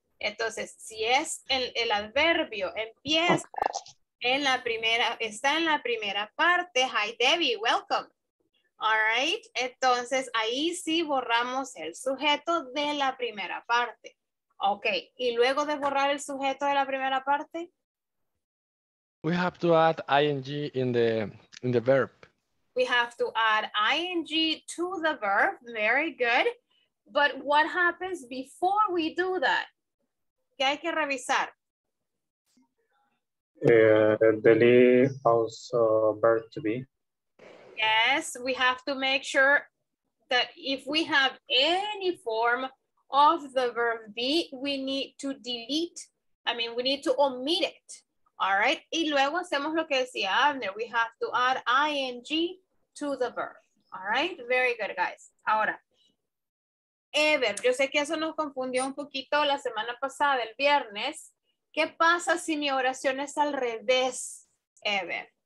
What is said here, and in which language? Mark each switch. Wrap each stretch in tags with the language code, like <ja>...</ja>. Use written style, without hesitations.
<es>Entonces, si es el adverbio, empieza en la primera, está en la primera parte.</es> <en>Hi, Debbie, welcome. All right.</en> <es>Entonces, ahí sí borramos el sujeto de la primera parte. Ok. ¿Y luego de borrar el sujeto de la primera parte?</es> <en>We have to add ing in the verb. We have to add ing to the verb. Very good. But what happens before we do that?</en> <es>¿Qué hay que revisar?</es> <en>Delete also verb to be. Yes, we have to make sure that if we have any form of the verb be, we need to delete. I mean, we need to omit it. All right.</en> <es>Y luego hacemos lo que decía Abner.</es> <en>We have to add ing to the verb. All right. Very good, guys. Ahora.</en> <es>Ever, yo sé que eso nos confundió un poquito la semana pasada, el viernes. ¿Qué pasa si mi oración es al revés, Ever?</es>